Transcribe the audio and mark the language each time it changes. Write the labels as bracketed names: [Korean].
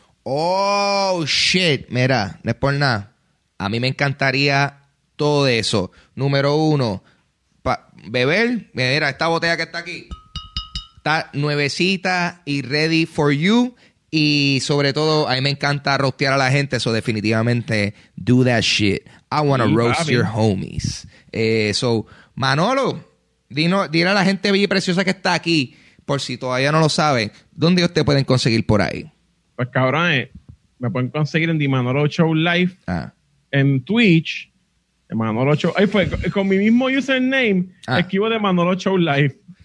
[Spanish] ¡Oh, shit! Mira, no es por nada. A mí me encantaría... Todo eso. Número uno, beber. Mira, esta botella que está aquí. Está nuevecita y ready for you. Y sobre todo, a mí me encanta rostear a la gente. [English] So, definitivamente, do that shit. I want to roast your homies. [Spanish] So, Manolo, dile a la gente bella y preciosa que está aquí, por si todavía no lo sabe, ¿dónde ustedes pueden conseguir por ahí? Pues, cabrones, me pueden conseguir en The Manolo Show Live, en Twitch, The Manolo Show. Ahí fue, con mi mismo username, escribo The Manolo Show Live.